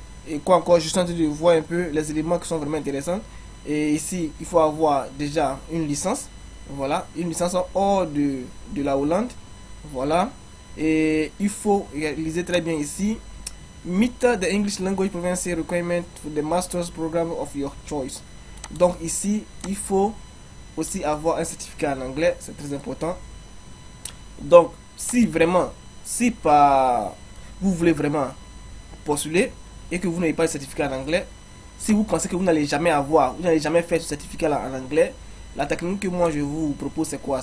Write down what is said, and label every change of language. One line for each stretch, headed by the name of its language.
French: Et quoi encore? Je suis en train de voir un peu les éléments qui sont vraiment intéressants. Et ici, il faut avoir déjà une licence. Voilà. Une licence hors de la Hollande. Voilà. Et il faut réaliser très bien ici.
English: Meet the English language proficiency requirement for the master's program of your choice.
French: Donc ici, il faut aussi avoir un certificat en anglais, c'est très important. Donc, si vraiment, si pas vous voulez vraiment postuler et que vous n'avez pas de certificat en anglais, si vous pensez que vous n'allez jamais avoir, vous n'allez jamais faire ce certificat là en anglais, la technique que moi je vous propose, c'est quoi?